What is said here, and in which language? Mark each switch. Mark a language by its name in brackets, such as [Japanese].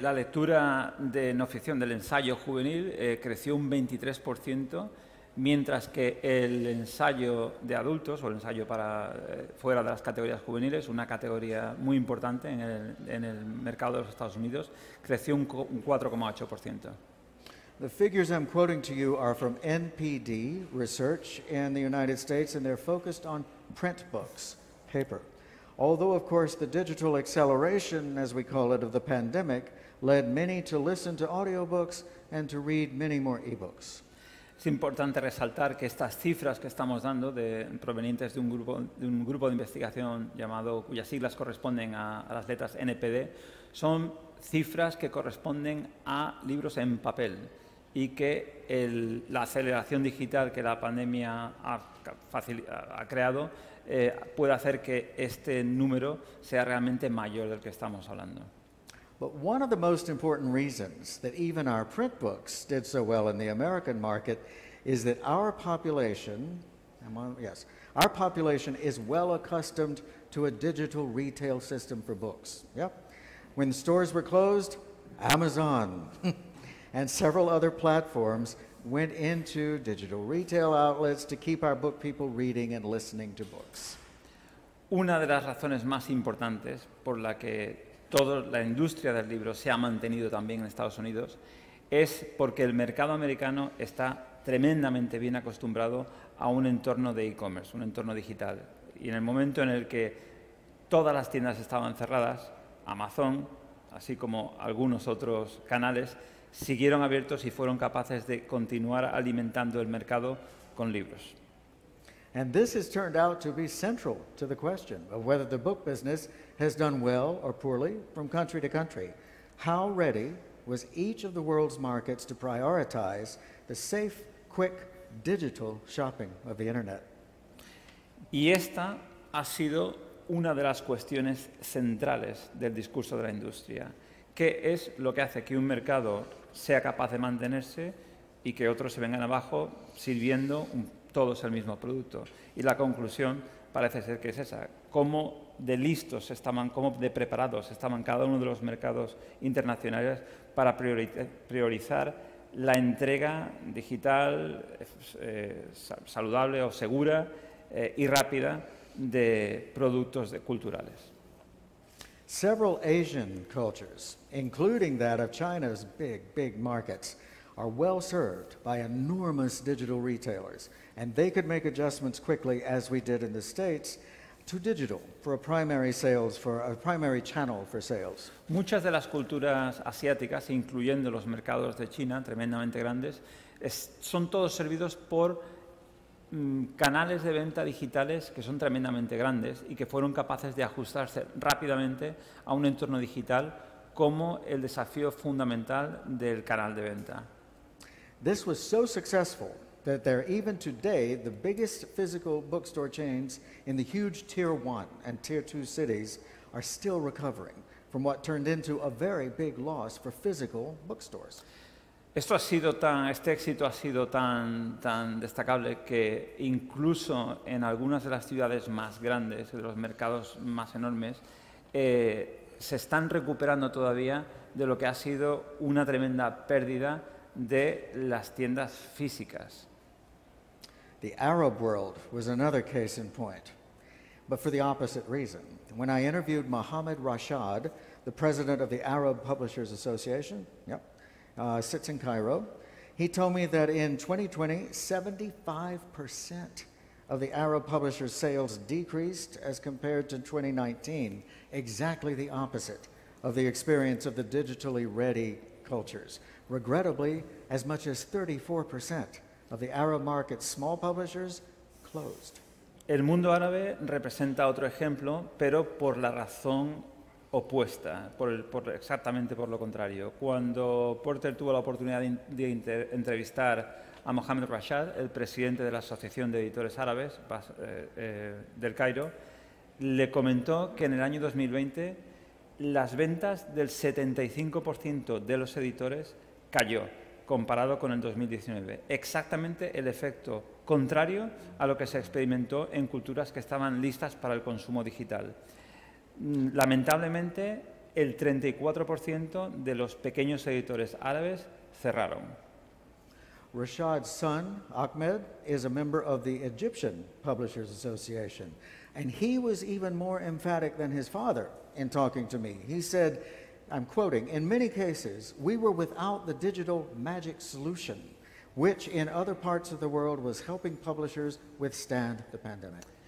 [Spanish] La lectura de no ficción, del ensayo juvenil, creció un 23%, mientras que el ensayo de adultos, o el ensayo para fuera de las categorías juveniles, una categoría muy importante en el mercado de los Estados Unidos, creció un 4.8%. [English] The figures I'm quoting to you are from NPD research in the United States, and they're focused on print books, paper. Although, of course, the digital acceleration, as we call it, of the pandemic, led many to listen to audiobooks and to read many more e-books. [Spanish] Es importante resaltar que estas cifras que estamos dando, provenientes de un grupo de investigación llamado, cuyas siglas corresponden a las letras NPD, son cifras que corresponden a libros en papel y que la aceleración digital que la pandemia ha creado puede hacer que este número sea realmente mayor del que estamos hablando. [English] But one of the most important reasons that even our print books did so well in the American market is that our population is well accustomed to a digital retail system for books. Yep. When stores were closed, Amazon and several other platforms went into digital retail outlets to keep our book people reading and listening to books. [Spanish] Una de las razones más importantes por la que toda la industria del libro se ha mantenido también en Estados Unidos es porque el mercado americano está tremendamente bien acostumbrado a un entorno de e-commerce, un entorno digital. Y en el momento en el que todas las tiendas estaban cerradas, Amazon, así como algunos otros canales, siguieron abiertos y fueron capaces de continuar alimentando el mercado con libros. [English] And this has turned out to be central to the question of whether the book business has done well or poorly from country to country. How ready was each of the world's markets to prioritize the safe, quick, digital shopping of the internet? [Spanish] Y esta ha sido una de las cuestiones centrales del discurso de la industria. ¿Qué es lo que hace que un mercado sea capaz de mantenerse y que otros se vengan abajo sirviendo todos el mismo producto? Y la conclusión parece ser que es esa. ¿Cómo de listos estaban, cómo de preparados estaban cada uno de los mercados internacionales para priorizar la entrega digital, saludable o segura y rápida de productos culturales? [English] Several Asian cultures, including that of China's big, big markets, are well served by enormous digital retailers, and they could make adjustments quickly, as we did in the States, to digital for a primary sales, for a primary channel for sales. [Spanish] Muchas de las culturas asiáticas, incluyendo los mercados de China, tremendamente grandes, son todos servidos por canales de venta digitales que son tremendamente grandes y que fueron capaces de ajustarse rápidamente a un entorno digital como el desafío fundamental del canal de venta. [English] This was so successful that they're even today the biggest physical bookstore chains in the huge tier one and tier two cities are still recovering from what turned into a very big loss for physical bookstores. [Spanish] Este éxito ha sido tan destacable que incluso en algunas de las ciudades más grandes, de los mercados más enormes, se están recuperando todavía de lo que ha sido una tremenda pérdida de las tiendas físicas. [English] The Arab world was another case in point, but for the opposite reason. When I interviewed Mohammed Rashad, the president of the Arab Publishers Association, sits in Cairo. He told me that in 2020, 75% of the Arab publishers' sales decreased as compared to 2019, exactly the opposite of the experience of the digitally ready cultures. Regrettably, as much as 34% of the Arab market's small publishers closed. [Spanish] El mundo árabe representa otro ejemplo, pero por la razón opuesta, exactamente por lo contrario. Cuando Porter tuvo la oportunidad de entrevistar a Mohamed Rashad, el presidente de la Asociación de Editores Árabes del Cairo, le comentó que en el año 2020 las ventas del 75% de los editores cayó comparado con el 2019. Exactamente el efecto contrario a lo que se experimentó en culturas que estaban listas para el consumo digital. Lamentablemente, el 34% de los pequeños editores árabes cerraron. [English] Rashad's son, Ahmed, is a member of the Egyptian Publishers Association, and he was even more emphatic than his father in talking to me. He said, I'm quoting, "In many cases, we were without the digital magic solution, which in other parts of the world was helping publishers withstand the pandemic."